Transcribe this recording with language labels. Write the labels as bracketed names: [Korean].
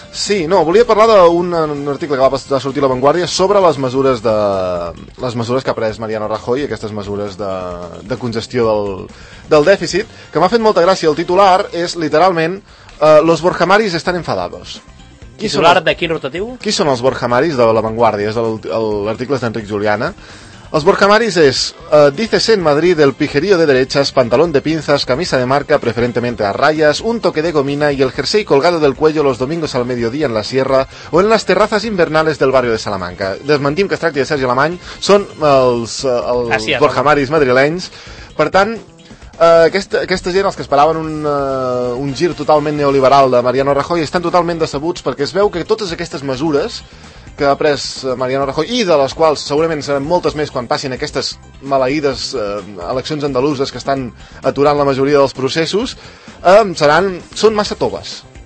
[Catalan] Sí, no, volia parlar d'un article que va sortir a La Vanguardia sobre les mesures que ha pres Mariano Rajoy, aquestes mesures de congestió del dèficit, que m'ha fet molta gràcia. El titular és literalment [Spanish] "Los Borjamaris están enfadados". [Catalan] Titular de quin rotatiu? Qui són els Borjamaris de La Vanguardia? És l'article d'Enric Juliana. Els Borjamaris és, [Spanish] dícese en Madrid, el pijerío de derechas, pantalón de pinzas, camisa de marca, preferentemente a rayas, un toque de gomina y el jersey colgado del cuello los domingos al mediodía en la sierra o en las terrazas invernales del barrio de Salamanca. [Catalan] Desmentim que es tracti de Sergi Alemany, són els Borjamaris madrilenys. Per tant, aquesta gent, els que esperaven un gir totalment neoliberal de Mariano Rajoy, estan totalment decebuts perquè es veu que totes aquestes mesures que ha pres Mariano Rajoy, i de les quals segurament seran moltes més quan passin aquestes maleïdes eleccions andaluses que estan aturant la majoria dels processos, són massa toves.